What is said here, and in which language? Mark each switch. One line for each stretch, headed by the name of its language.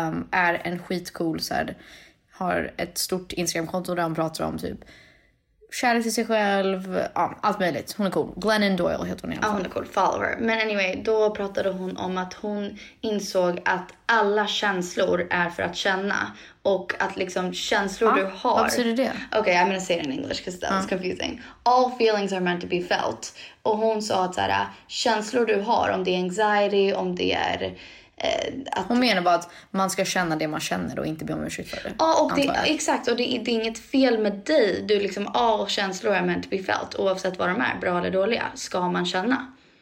Swedish: Är en skitcool, så här, har ett stort Instagram-konto där hon pratar om typ kärlek till sig själv, ja, allt möjligt. Hon är cool. Glennon Doyle heter hon i alla fall. Ja, hon är cool. Follower. Men anyway, då pratade hon om att hon insåg att alla känslor är för att känna. Och att liksom känslor du har... Vad betyder det?
English: Okay, I'm gonna say it in English because that's confusing. All feelings are meant to be felt.
Swedish: Och hon sa att så här, känslor du har, om det är anxiety, om det är... Att... Hon menar bara att man ska känna det man känner och inte be om ursäkt för det. Ja, och det, exakt, och det är inget fel med dig. Du liksom, känslor är
English: meant to be felt.
Swedish: Oavsett vad de är, bra eller dåliga, ska man känna.